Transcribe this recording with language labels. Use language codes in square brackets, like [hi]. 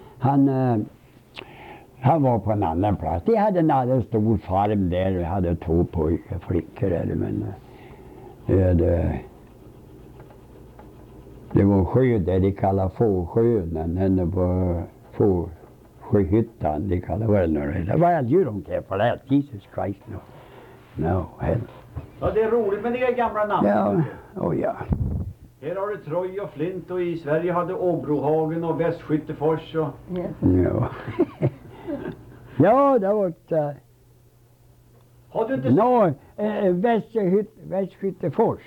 [sv] Han var på en annan plats. De hade en annan stor farm där. Vi hade två pojkar, flickor där, men... Det var sjö där de kallade Fåsjön. Den var Sjöhyttan, de kallar väl några. [en] Well, you don't care for that, Jesus Christ, no. No, hell. [sv] Ja, det är roligt med dina gamla namn. Ja, oh ja. Här har du Troj och Flint och i Sverige hade Åbrohagen och Västskyttefors och... Ja. Ja, det har varit... Har du inte... No, Västskyttefors.